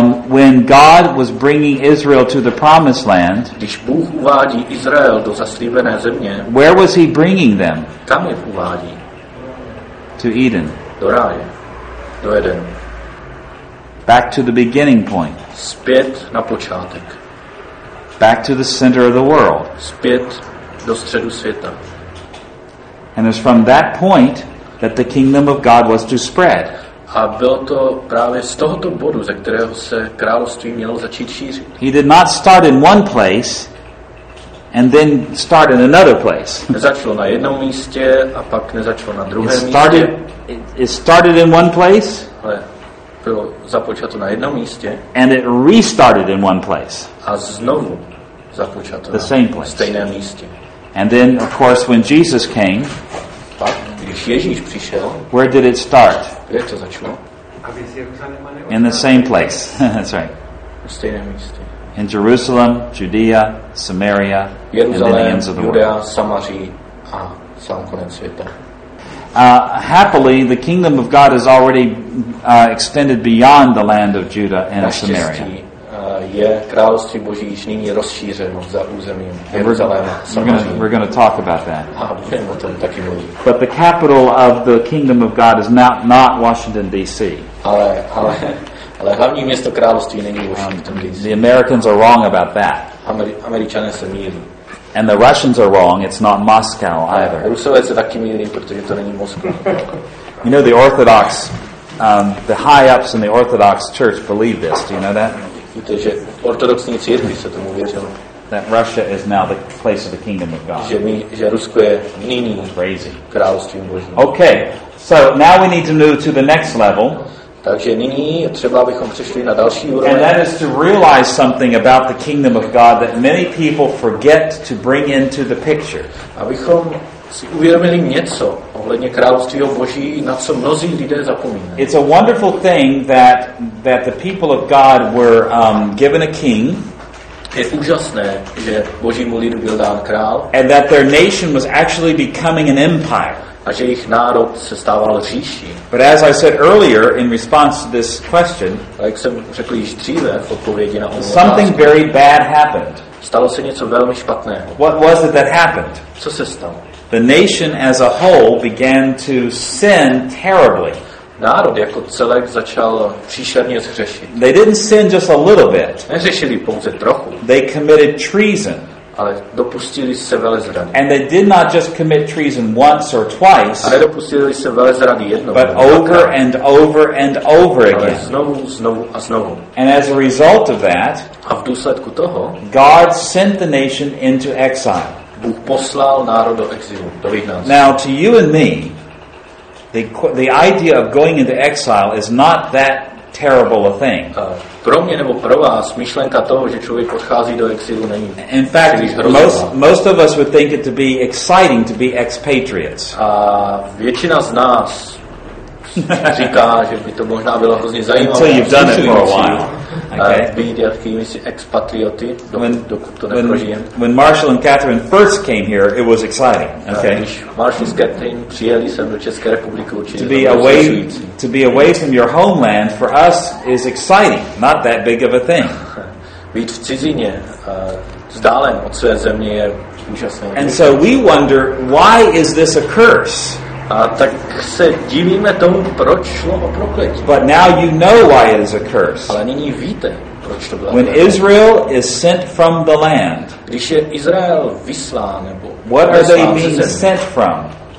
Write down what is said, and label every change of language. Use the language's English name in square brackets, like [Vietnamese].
[English] when God was bringing Israel to the promised land, [Czech] když Bůh uvádí Izrael do zaslíbené země, [English] where was he bringing them? [Czech] Kam je uvádí? [English] To Eden. [Czech] Do ráje. Do Eden. [English] Back to the beginning point. [Czech] Zpět na počátek. [English] Back to the center of the world. [Czech] Zpět do středu světa. [English] And it's from that point that the kingdom of God was to spread. [Czech] A bylo to právě z tohoto bodu, ze kterého se království mělo začít šířit. [English] He did not start in one place and then start in another place. [Czech] Nezačalo na jednom místě a pak nezačalo na druhém místě. [English] It started in one place. [Czech] Ale bylo započato na jednom místě. [English] And it restarted in one place. [Czech] A znovu započato [English] the same place. [Czech] Na stejném místě. [English] And then of course when Jesus came, [Czech] když Ježíš přišel, [English] where did it start? [Czech] Jak to začalo? [English] In the same place. That's right. [Czech] Stejné místě. [English] In Jerusalem, Judea, Samaria, [Czech] Jeruzalém, [English] and the ends of the [Czech] Judea, [English] world. [Czech] Samaří a sám konec světa. [English] Happily, the kingdom of God has already extended beyond the land of Judah and Samaria. [Czech] je království Boží již nyní rozšířeno za územím Jeruzaléma. [English] We're going to talk about that. [Czech] A budeme o tom taky mluvit. [English] But the capital of the kingdom of God is not Washington D.C. [Czech] Ale hlavní město království není Washington D.C. [English] The Americans are wrong about that. [Czech] Američané se mýlí. [English] And the Russians are wrong. It's not Moscow either. [Czech] Rusové se taky mýlí, protože to není Moskva. [English] You know, the Orthodox, the high-ups in the Orthodox Church believe this. Do you know that? [Czech] Víte, že ortodoxní církví se tomu věřilo. [English] That Russia is now the place of the kingdom of God. [Czech] Že Rusko je nyní královstvím Božím. [English] Okay, so now we need to move to the next level. [Czech] Takže nyní třeba bychom přešli na další úroveň. [English] And that is to realize something about the kingdom of God that many people forget to bring into the picture. [Czech] Abychom si uvědomili něco ohledně království Boží, na co mnozí lidé zapomínají. [English] It's a wonderful thing that the people of God were given a king. [Czech] Je úžasné, že Božímu lidu byl dán král. [English] And that their nation was actually becoming an empire. [Czech] A že jejich národ se stával říší. [English] But as I said earlier in response to this question, [Czech] jak jsem řekl již dříve v odpovědi na otázku, [English] something very bad happened. [Czech] Stalo se něco velmi špatného. [English] What was it that happened? [Czech] Co se stalo? [English] The nation as a whole began to sin terribly. [Czech] Národ jako celek začal příšerně zhřešit. [English] They didn't sin just a little bit. [Czech] Nezřešili pouze trochu. [English] They committed treason. [Czech] Ale dopustili se velezrady. [English] And they did not just commit treason once or twice. [Czech] Ale dopustili se velezrady jednou. [English] But over and over and over again. [Czech] Znovu, znovu a znovu. [English] And as a result of that, [Czech] a v důsledku toho, [English] God sent the nation into exile. [Czech] Bůh poslal národ do exilu, do vyhnanství. [English] Now to you and me, the idea of going into exile is not that terrible a thing. [Czech] Pro mě nebo pro vás myšlenka toho, že člověk odchází do exilu, není. [English] In fact, most of us would think it to be exciting to be expatriates. [Czech] A většina z nás říká, že by to možná bylo hrozně zajímavé. [English] Until you've done it for a while. [Czech] Být jakými si expatrioty, dokud to neprožijem. [English] When Marshall and Catherine first came here, it was exciting. Okay. [Czech] Když Marshall s Catherine přijeli sem do České republiky, určitě to bylo zajímavé. [English] To be away from your homeland for us is exciting, not that big of a thing. [Czech] Být v cizině, vzdálen od své země je úžasné. [English] And so we wonder, why is this a curse? [Czech] A tak se divíme tomu, proč šlo o prokletí. [English] But now you know why it is a curse. [Czech] Ale nyní víte, proč to bylo. [English] When Israel is sent from the land. [Czech] Když je Izrael vyslán nebo. [English] What are they being sent from?